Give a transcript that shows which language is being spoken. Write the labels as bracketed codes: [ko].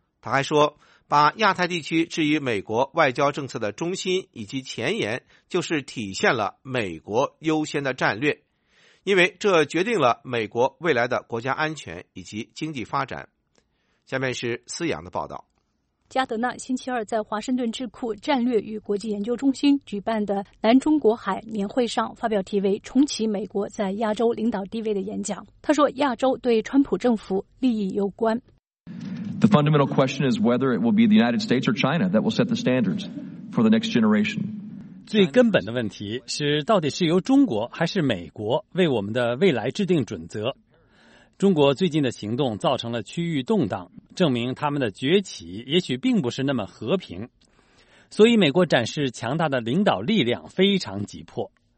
[zh] 他还说，把亚太地区置于美国外交政策的中心以及前沿，就是体现了美国优先的战略，因为这决定了美国未来的国家安全以及经济发展。下面是思阳的报道。加德纳星期二在华盛顿智库战略与国际研究中心举办的南中国海年会上发表题为重启美国在亚洲领导地位的演讲。他说亚洲对川普政府利益攸关。 [en] The fundamental question is whether it will be the United States or China that will set the standards for the next generation. [zh] 最根本的问题是到底是由中国还是美国为我们的未来制定准则。中国最近的行动造成了区域动荡，证明他们的崛起也许并不是那么和平。所以美国展示强大的领导力量非常急迫。